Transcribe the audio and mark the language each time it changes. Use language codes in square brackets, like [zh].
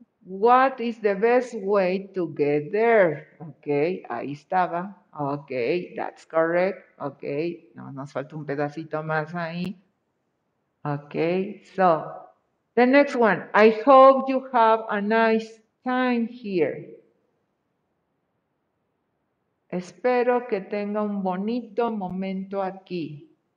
[en] What is the best way to get there? Okay, [es] ahí estaba. [en] Okay, that's correct. [es] Okay, no, nos falta un pedacito más ahí. [en] Okay, so the next one. I hope you have a nice time here. [es] Espero que tenga un bonito momento aquí.